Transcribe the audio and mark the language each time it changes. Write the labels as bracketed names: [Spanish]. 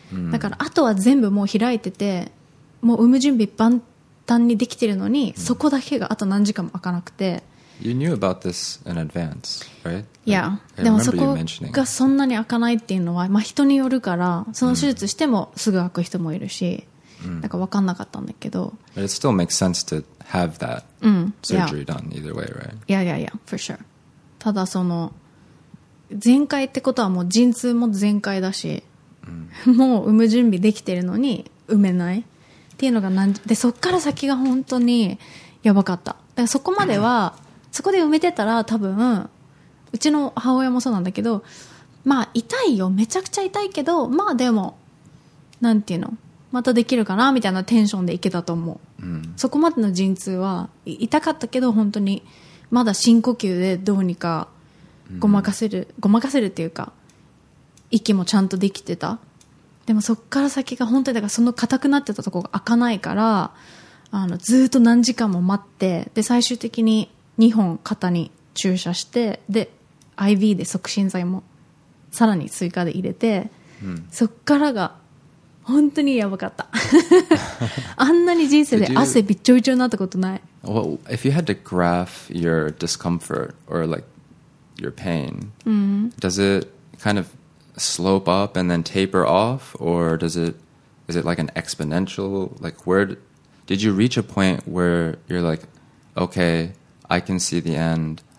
[Japanese] だからあとは全部もう開いててもう産む準備万端にできてるのに、うん、そこだけがあと何時間も開かなくて [English] You knew about this in advance, right? Yeah, [Japanese] でもそこがそんなに開かないっていうのは、まあ、人によるからその手術してもすぐ開く人もいるし、 mm. なんか分かんなかったんだけど [English] But it still makes sense to have that surgery done either way, right? Yeah, yeah, yeah, for sure. [Japanese] ただその全開ってことはもう陣痛も全開だし、 mm. もう産む準備できてるのに産めないっていうのがでそっから先が本当にやばかっただからそこまでは、 mm. そこで埋めてたら多分うちの母親もそうなんだけどまあ痛いよめちゃくちゃ痛いけどまあでもなんていうのまたできるかなみたいなテンションでいけたと思う、うん、そこまでの陣痛は痛かったけど本当にまだ深呼吸でどうにかごまかせる、うん、ごまかせるっていうか息もちゃんとできてたでもそっから先が本当にだからその硬くなってたとこが開かないからあのずっと何時間も待ってで最終的に2本肩に注射してで IV で促進剤もさらに追加で入れて、うん、そっからが本当にやばかったあんなに人生で汗びっちょびちょになったことない [English] Well, if you had to graph your discomfort or like your pain、 mm-hmm. does it kind of slope up and then taper off or does it is it like an exponential like where did you reach a point where you're like okayI can see the end.